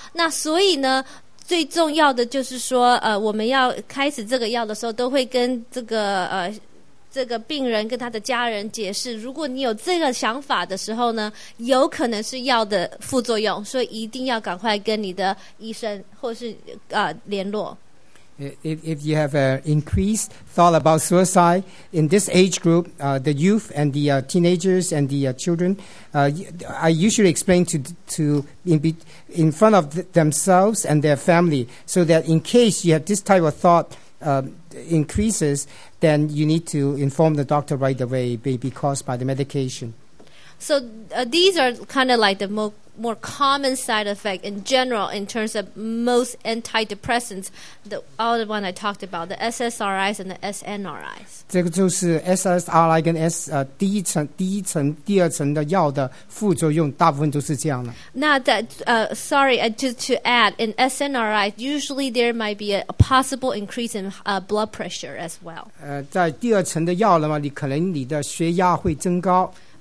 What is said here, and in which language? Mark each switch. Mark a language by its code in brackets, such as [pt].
[zh] 那所以呢，最重要的就是说我们要开始这个药的时候都会跟这个病人跟他的家人解释，如果你有这个想法的时候呢，有可能是药的副作用，所以一定要赶快跟你的医生或是联络。 [en] If you have an increased thought about suicide in this age group, the youth and the teenagers and the children, I usually explain in front of themselves and their family, so that in case you have this type of thought increases, then you need to inform the doctor right away, maybe caused by the medication. So these are kind of like the more common side effect in general in terms of most antidepressants, all the one I talked about, the SSRIs and the SNRIs. [zh] 这个就是 SSRI 跟 第一层的药的副作用，大部分都是这样的。那在 [en] sorry, just to add, in SNRI, usually there might be a possible increase in blood pressure as well. [zh] 在第二层的药了嘛，你可能你的血压会增高。